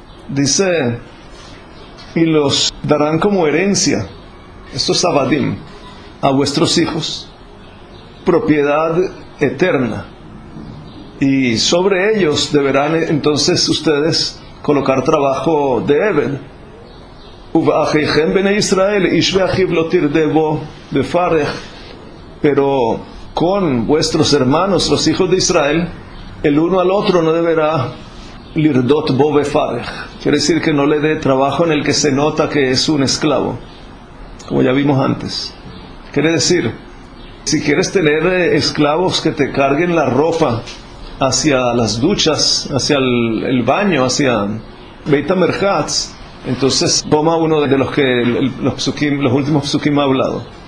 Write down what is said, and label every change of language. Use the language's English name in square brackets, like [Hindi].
[Spanish] Dice, y los darán como herencia, estos abadim, a vuestros hijos, propiedad eterna, y sobre ellos deberán entonces ustedes colocar trabajo de Eved. [Hebrew] ובאחיכם בני ישראל איש ואחיו לא תרדה בו בפרך. [Spanish] Pero con vuestros hermanos, los hijos de Israel, el uno al otro no deberá [Hebrew] lirdot bo befarej. [Spanish] Quiere decir que no le dé trabajo en el que se nota que es un esclavo, como ya vimos antes. Quiere decir, si quieres tener esclavos que te carguen la ropa hacia las duchas, hacia el baño, hacia Beit HaMerchatz, entonces toma uno de los que los últimos psukim ha hablado.